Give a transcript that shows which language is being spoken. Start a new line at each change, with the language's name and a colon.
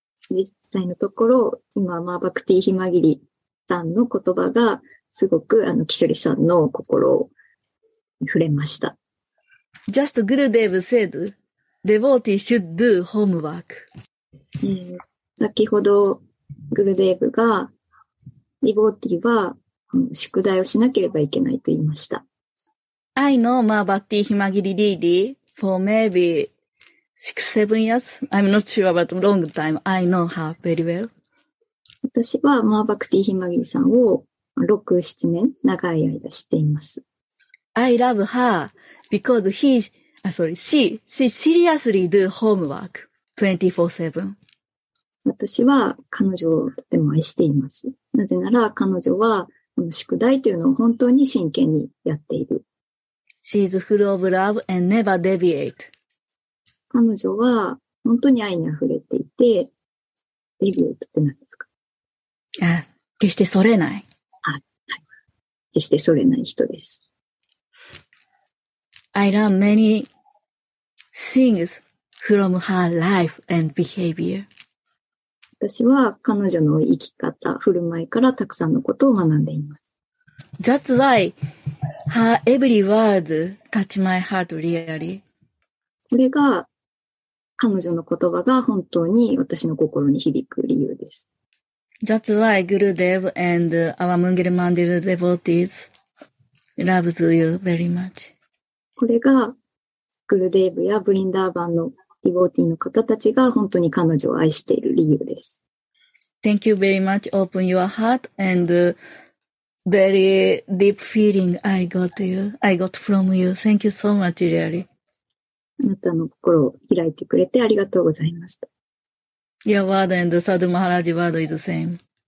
Japanese: 実際のところ、今、Ma Bhakti Himagiri さんの言葉が、すごく、キショリさんの心を触れました。
English: Just Gurudev said, devotee should do homework.
Japanese: 先ほどグルデーブがリボーティは宿題をしなければいけないと言いました。
English: I know Ma Bhakti Himagiri Didi for maybe 6-7 years. I'm not sure about long time. I know her very well.
Japanese: 私は Ma Bhakti Himagiri さんを6-7年長い間知っています。
English: I love her because she seriously do homework 24/7.
Japanese: 私は彼女をとても愛しています。なぜなら彼女はこの宿題というのを本当に真剣にやっている。
English: She is full of love and never deviate.
Japanese: 彼女は本当に愛に溢れていて、デビューって何ですか？あ、決してそれない。あ、はい。決してそれない人です。
English: I learn many things from her life and behavior.
Japanese: 私は彼女の生き方、振る舞いからたくさんのことを学んでいます。
English: That's why her every word touch my heart really.
Japanese: これが彼女の言葉が本当に私の心に響く理由です。
English: That's why Gurudev and our Mungil Mandir devotees loves you very much.
Japanese: これがグルデーブやブリンダーバンのディボーティーの方たちが本当に彼女を愛している理由です。
English: Thank you very much. Open your heart and very deep feeling I got from you. Thank you so much, really.
Japanese: あなたの心を開いてくれてありがとうございました。
English: Your word and Sadhu Maharaj word is the same.